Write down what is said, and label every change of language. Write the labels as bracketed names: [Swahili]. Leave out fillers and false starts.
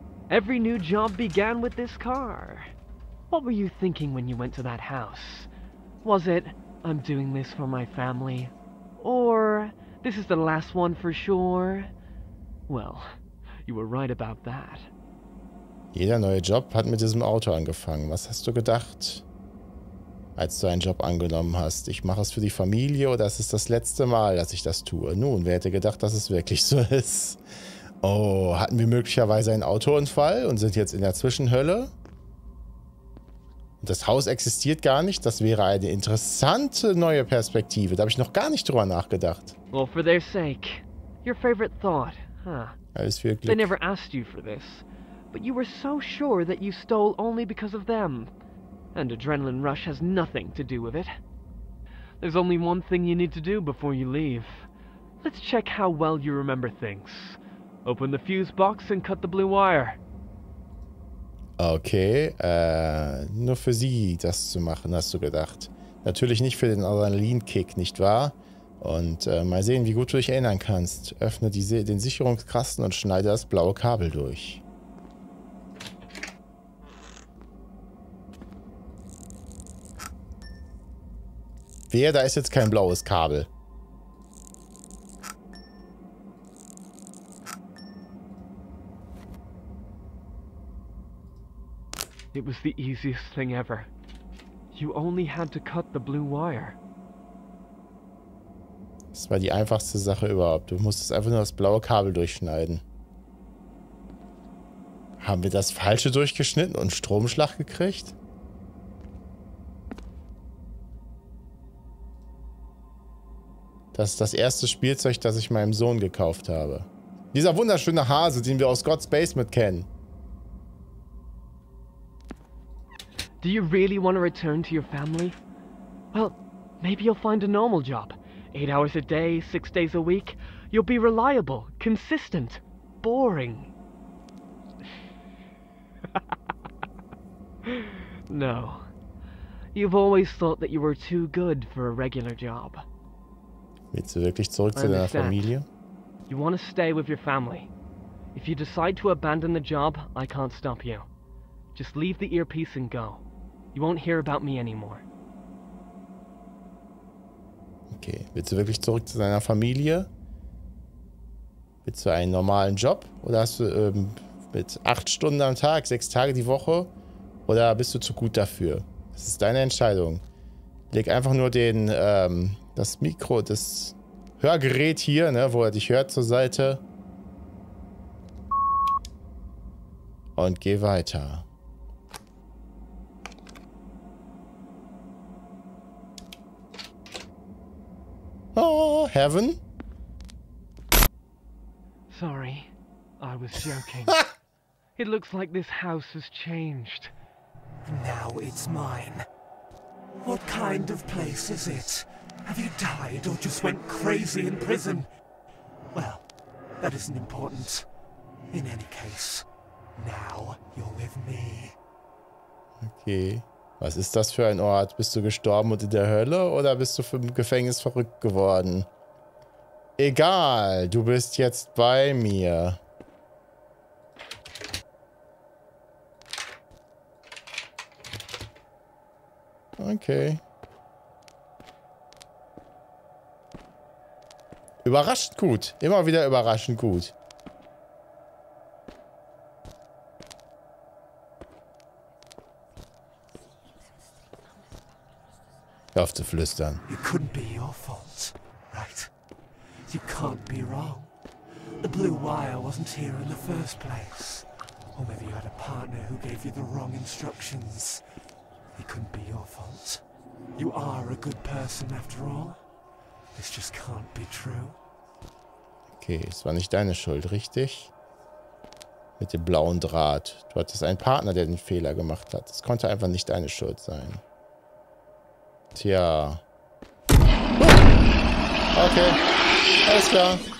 [English] Every new job began with this car. What were you thinking when you went to that house? Was it, I'm doing this for my family? Or, this is the last one for sure? Well, you were right about that. [German] Jeder neue Job hat mit diesem Auto angefangen. Was hast du gedacht, als du einen Job angenommen hast? Ich mache es für die Familie oder es ist das letzte Mal, dass ich das tue? Nun, wer hätte gedacht, dass es wirklich so ist? Oh, hatten wir möglicherweise einen Autounfall und sind jetzt in der Zwischenhölle? Und das Haus existiert gar nicht. Das wäre eine interessante neue Perspektive. Da habe ich noch gar nicht drüber nachgedacht. [English] Well, for their sake, your favorite thought, huh? [German] Alles für Glück. [English] They never asked you for this, but you were so sure that you stole only because of them. And adrenaline rush has nothing to do with it. There's only one thing you need to do before you leave. Let's check how well you remember things. Open the fuse box and cut the blue wire. [German] Okay, nur für sie das zu machen, hast du gedacht. Natürlich nicht für den Adrenalinkick, nicht wahr? Und mal sehen, wie gut du dich erinnern kannst. Öffne den Sicherungskasten und schneide das blaue Kabel durch. Wer, da ist jetzt kein blaues Kabel. [English] It was the easiest thing ever. You only had to cut the blue wire. [German] Es war die einfachste Sache überhaupt. Du musstest einfach nur das blaue Kabel durchschneiden. Haben wir das falsche durchgeschnitten und Stromschlag gekriegt? Das ist das erste Spielzeug, das ich meinem Sohn gekauft habe. Dieser wunderschöne Hase, den wir aus God's Basement kennen. [English] Do you really want to return to your family? Well, maybe you'll find a normal job. 8 hours a day, 6 days a week. You'll be reliable, consistent, boring. No. You've always thought that you were too good for a regular job. [German] Willst du wirklich zurück zu deiner Familie? [English] You want to stay with your family. If you decide to abandon the job, I can't stop you. Just leave the earpiece and go. You won't hear about me anymore. [German] Okay, willst du wirklich zurück zu deiner Familie? Willst du einen normalen Job? Oder hast du mit 8 Stunden am Tag, 6 Tage die Woche? Oder bist du zu gut dafür? Das ist deine Entscheidung. Leg einfach nur das Mikro, das Hörgerät hier, ne, wo er dich hört, zur Seite. Und geh weiter. [English] Oh, heaven. Sorry, I was joking. It looks like this house has changed. Now it's mine. What kind of place is it? Have you died or just went crazy in prison? Well, that isn't important. In any case, now you're with me. [German] Okay. Was ist das für ein Ort? Bist du gestorben und in der Hölle oder bist du vom Gefängnis verrückt geworden? Egal, du bist jetzt bei mir. Okay. Überraschend gut. Immer wieder überraschend gut. Hör auf zu flüstern. [English] You couldn't be your fault, right? You can't be wrong. The blue wire wasn't here in the first place. Or maybe you had a partner who gave you the wrong instructions. It couldn't be your fault. You are a good person after all. This just can't be true. [German] Okay, es war nicht deine Schuld, richtig? Mit dem blauen Draht. Du hattest einen Partner, der den Fehler gemacht hat. Es konnte einfach nicht deine Schuld sein. Tja. Okay. Alles klar.